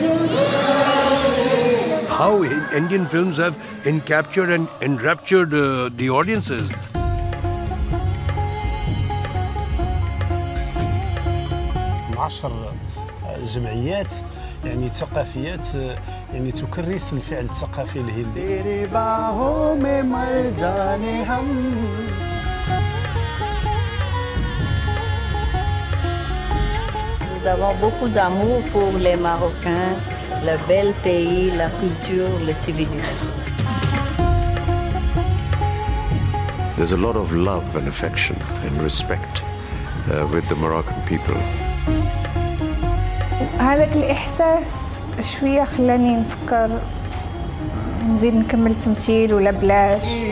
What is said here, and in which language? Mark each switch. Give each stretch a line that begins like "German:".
English: how Indian films have encaptured and enraptured the audiences.
Arabic: عشر جمعيات يعني ثقافيات يعني تكرس الفعل الثقافي الهندي.
French: Nous avons beaucoup d'amour pour les Marocains, le bel pays, la culture, les civilisations.
English: There's a lot of love and affection and respect with the Moroccan people.
Arabic: هذاك الإحساس شوية خلاني نفكر نزيد نكمل تمثيل ولا بلاش.